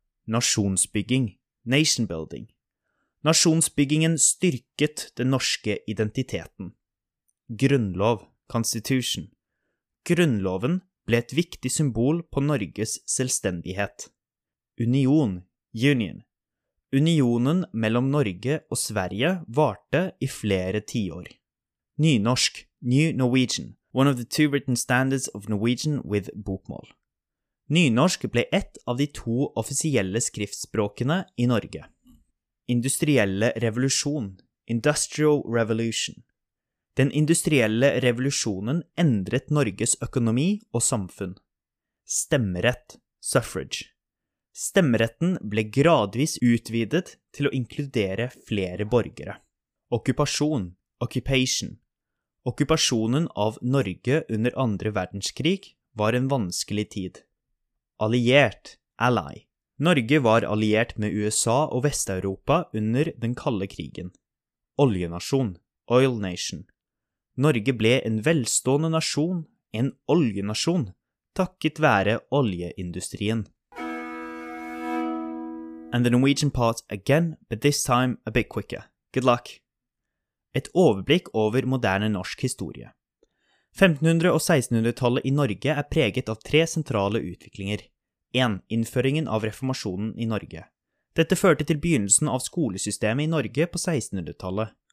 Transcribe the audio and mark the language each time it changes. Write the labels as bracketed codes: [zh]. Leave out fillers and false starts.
[no] Nasjonsbygging, [en] nation building. [no] Nasjonsbyggingen styrket den norske identiteten. Grunnlov, [en] constitution. [no] Grunnloven ble et viktig symbol på Norges selvstendighet. Union, union. Unionen mellom Norge og Sverige varte i flere tiår. [en] Nynorsk, New Norwegian, one of the two written standards of Norwegian with bokmål. [no] Nynorsk ble ett av de to offisielle skriftspråkene i Norge. Industrielle revolusjon, [en] industrial revolution. [no] Den industrielle revolusjonen endret Norges økonomi og samfunn. Stemmerett, [en] suffrage. [no] Stemmeretten ble gradvis utvidet til å inkludere flere borgere. Okkupasjon, [en] occupation. [no] Okkupasjonen av Norge under 2. verdenskrig var en vanskelig tid. Alliert, [en] ally. [no] Norge var alliert med USA og Vesteuropa under den kalde krigen. [en] Oljenasjon, oil nation. [no] Norge ble en velstående nasjon, en oljenasjon, takket være oljeindustrien. [en] And the Norwegian part again, but this time a bit quicker. Good luck! [no] Et overblikk over moderne norsk historie. 1500- og 1600-tallet i Norge er preget av tre sentrale utviklinger. 1. Innføringen av reformasjonen i Norge. Dette førte til begynnelsen av skolesystemet i Norge på 1600-tallet.